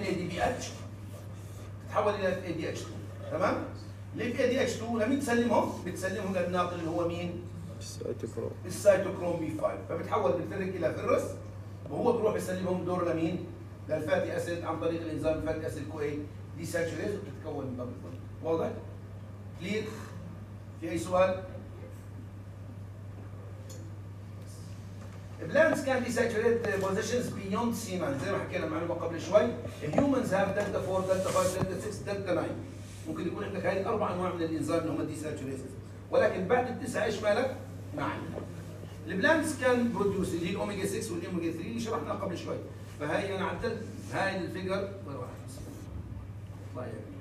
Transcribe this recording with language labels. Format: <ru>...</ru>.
<ar>من ال ان اي دي بي اتش، تتحول الى اف اي دي اتش 2، تمام؟ الاف اي دي اتش 2 لمين تسلمهم؟ بتسلمهم للناقل اللي هو مين؟ السيتوكروم، السيتوكروم بي 5. فبتحول من فرق الى فرس، وهو بروح يسلمهم دور لمين؟ للفاتي اسيد عن طريق الانزيم الفاتي اسيد كو اي دي ساتشوريز، وبتتكون من دبل بوند. واضح؟ كلير؟ في اي سؤال؟</ar> <en>Plants can desaturate positions beyond Cmax.</en> <ar>زي ما حكينا معلومة قبل شوي.</ar> <en>Humans have delta 4, delta 5, delta 6, delta 9.</en> <ar>ممكن يكون عندك هاي الأربع أنواع من الإنزيم اللي هم desaturated. ولكن بعد التسعة إيش مالك؟ نعم.</ar> <en>Plants can produce</en> <ar>اللي هي الأوميجا 6 والأوميجا 3 اللي شرحناها قبل شوي. فهاي أنا عدل هاي الفيجر وين راح تصير؟ طيب.</ar>